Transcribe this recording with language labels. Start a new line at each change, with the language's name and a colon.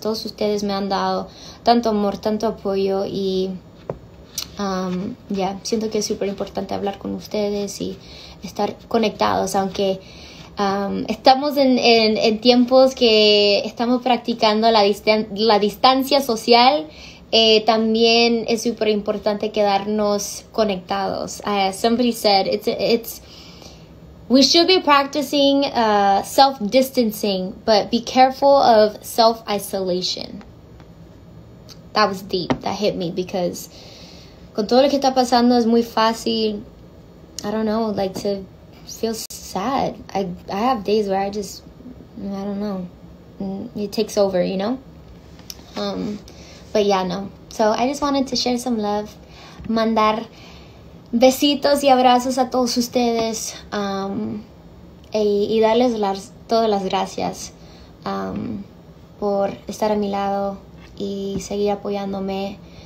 Spanish: Todos ustedes me han dado tanto amor, tanto apoyo, y yeah, siento que es súper importante hablar con ustedes y estar conectados, aunque estamos en tiempos que estamos practicando la distancia social. También es súper importante quedarnos conectados.
English: Somebody said it's we should be practicing self-distancing, but be careful of self-isolation. That was deep. That hit me, because
Spanish: con todo lo que está pasando es muy fácil,
English: I don't know, like to feel sad. I have days where I just, I don't know, it takes over, you know. But yeah, no. So I just wanted to share some love,
Spanish: mandar besitos y abrazos a todos ustedes, y darles todas las gracias por estar a mi lado y seguir apoyándome.